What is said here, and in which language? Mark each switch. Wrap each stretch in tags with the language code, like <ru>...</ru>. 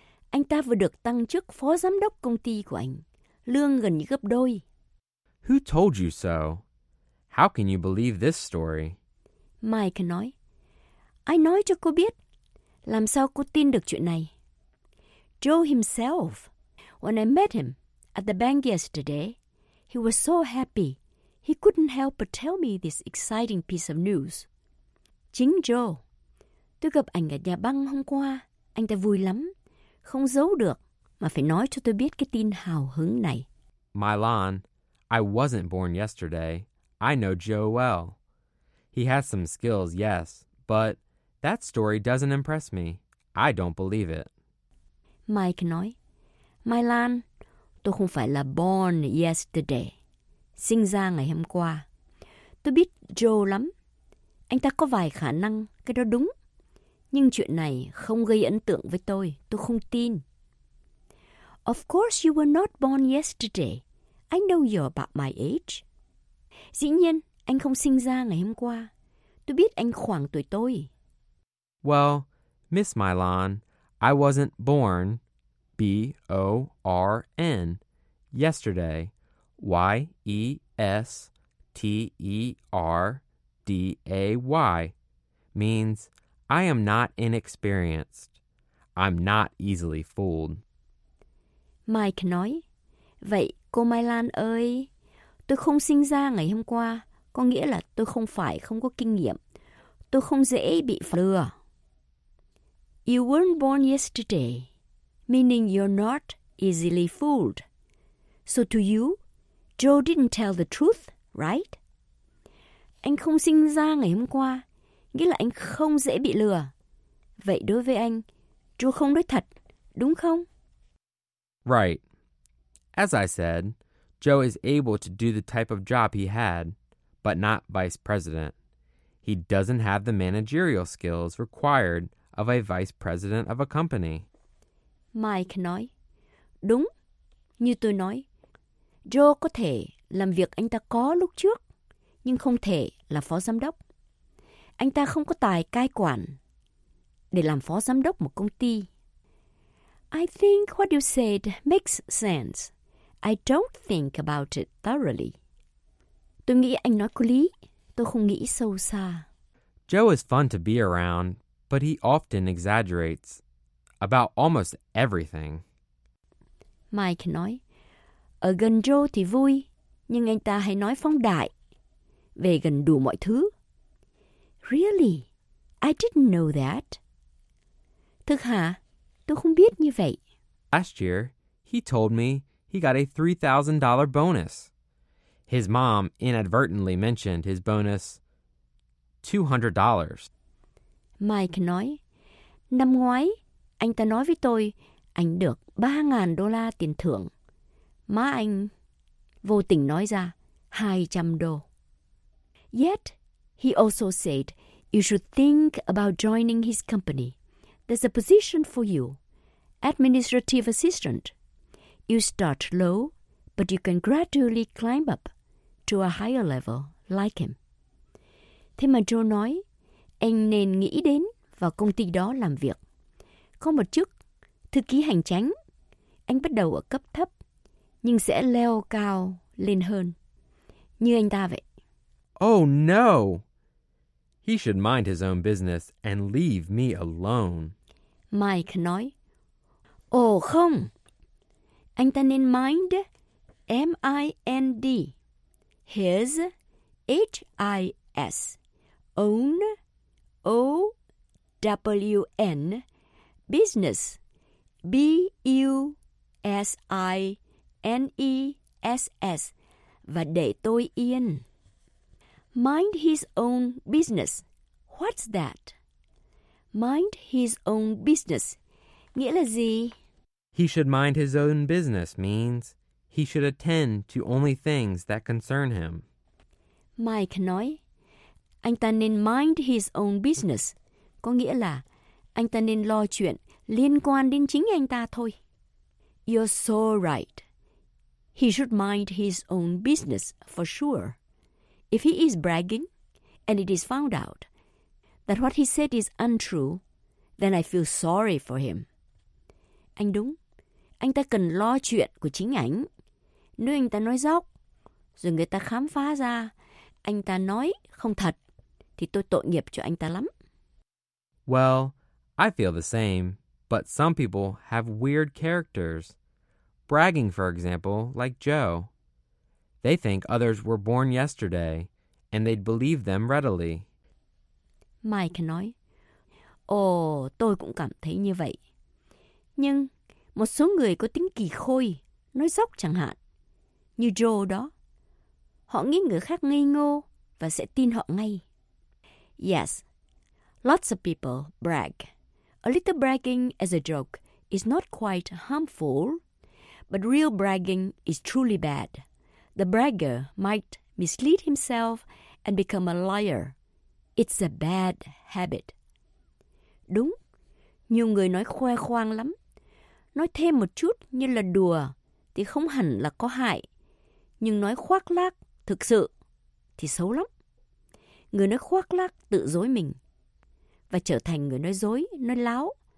<vi>Anh ta vừa được tăng chức phó giám đốc công ty của anh. Lương gần như gấp đôi.</vi> <en>Who told you so? How can you believe this story?</en> <vi>Mike nói, ai nói cho cô biết? Làm sao cô tin được chuyện này?</vi> <en>Joe himself. When I met him at the bank yesterday, he was so happy. He couldn't help but tell me this exciting piece of news.</en> <vi>Chính Joe. Tôi gặp anh ở nhà băng hôm qua. Anh ta vui lắm. Không giấu được mà phải nói cho tôi biết cái tin hào hứng này.</vi> <en>Milan. I wasn't born yesterday. I know Joe well. He has some skills, yes, but that story doesn't impress me. I don't believe it.</en> <vi>Mike nói, Milan, tôi không phải là</vi> <en>born yesterday.</en> <vi>Sinh ra ngày hôm qua. Tôi biết Joe lắm. Anh ta có vài khả năng, cái đó đúng. Nhưng chuyện này không gây ấn tượng với tôi không tin.</vi> <en>Of course you were not born yesterday. I know you're about my age.</en> <vi>Dĩ nhiên, anh không sinh ra ngày hôm qua. Tôi biết anh khoảng tuổi tôi.</vi> <en>Well, Miss Milan, I wasn't born, B-O-R-N, yesterday, Y-E-S-T-E-R-D, D-A-Y, means I am not inexperienced. I'm not easily fooled.</en> <vi>Mike nói, vậy cô Mai Lan ơi, tôi không sinh ra ngày hôm qua, có nghĩa là tôi không phải không có kinh nghiệm. Tôi không dễ bị lừa.</vi> <en>You weren't born yesterday, meaning you're not easily fooled. So to you, Joe didn't tell the truth, right?</en> <vi>Anh không sinh ra ngày hôm qua, nghĩa là anh không dễ bị lừa. Vậy đối với anh, Joe không nói thật, đúng không?</vi> <en>Right. As I said, Joe is able to do the type of job he had, but not vice president. He doesn't have the managerial skills required of a vice president of a company.</en> <vi>Mike nói, đúng, như tôi nói, Joe có thể làm việc anh ta có lúc trước, nhưng không thể là phó giám đốc. Anh ta không có tài cai quản để làm phó giám đốc một công ty.</vi> <en>I think what you said makes sense. I don't think about it thoroughly.</en> <vi>Tôi nghĩ anh nói có lý. Tôi không nghĩ sâu xa.</vi> <en>Joe is fun to be around, but he often exaggerates about almost everything.</en> <vi>Mike nói, ở gần Joe thì vui, nhưng anh ta hay nói phóng đại về gần đủ mọi thứ.</vi> <en>Really? I didn't know that.</en> <vi>Thực hả? Tôi không biết như vậy.</vi> <en>Last year, he told me he got a $3,000 bonus. His mom inadvertently mentioned his bonus, $200.</en> <vi>Mike nói, năm ngoái, anh ta nói với tôi, anh được $3,000 tiền thưởng. Má anh vô tình nói ra, $200.</vi> <en>Yet, he also said, you should think about joining his company. There's a position for you, administrative assistant. You start low, but you can gradually climb up to a higher level like him.</en> <vi>Thế mà Joe nói, anh nên nghĩ đến vào công ty đó làm việc. Có một chức thư ký hành chính, anh bắt đầu ở cấp thấp, nhưng sẽ leo cao lên hơn, như anh ta vậy.</vi> <en>Oh no! He should mind his own business and leave me alone.</en> <vi>Mike nói, ồ không, anh ta nên</vi> <en>mind, M-I-N-D, his, H-I-S, own, O-W-N, business, B-U-S-I-N-E-S-S,</en> <vi>và để tôi yên.</vi> <en>Mind his own business. What's that? Mind his own business.</en> <vi>Nghĩa là gì?</vi> <en>He should mind his own business means he should attend to only things that concern him.</en> <vi>Mike nói, anh ta nên</vi> <en>mind his own business.</en> <vi>Có nghĩa là anh ta nên lo chuyện liên quan đến chính anh ta thôi.</vi> <en>You're so right. He should mind his own business for sure. If he is bragging and it is found out that what he said is untrue, then I feel sorry for him.</en> <vi>Anh đúng, anh ta cần lo chuyện của chính ảnh. Nếu anh ta nói dóc, rồi người ta khám phá ra anh ta nói không thật, thì tôi tội nghiệp cho anh ta lắm.</vi> <en>Well, I feel the same, but some people have weird characters. Bragging, for example, like Joe. They think others were born yesterday, and they'd believe them readily.</en> <vi>Mike nói, ồ, tôi cũng cảm thấy như vậy. Nhưng một số người có tính kỳ khôi, nói dóc chẳng hạn, như Joe đó. Họ nghĩ người khác ngây ngô và sẽ tin họ ngay.</vi> <en>Yes, lots of people brag. A little bragging as a joke is not quite harmful, but real bragging is truly bad. The bragger might mislead himself and become a liar. It's a bad habit.</en> <vi>Đúng, nhiều người nói khoe khoang lắm. Nói thêm một chút như là đùa thì không hẳn là có hại. Nhưng nói khoác lác thực sự thì xấu lắm. Người nói khoác lác tự dối mình và trở thành người nói dối, nói láo.</vi>